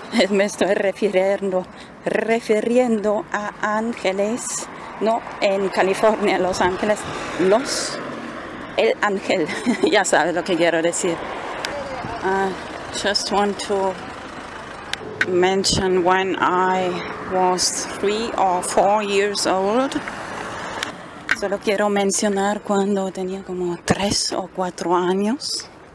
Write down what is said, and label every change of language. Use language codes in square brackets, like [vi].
[es] Me estoy refiriendo a ángeles, no en California, Los Ángeles, el ángel, ya sabes lo que quiero decir. [en] Just want to mention when I was 3 or 4 years old. [es] Solo quiero mencionar cuando tenía como 3 o 4 años.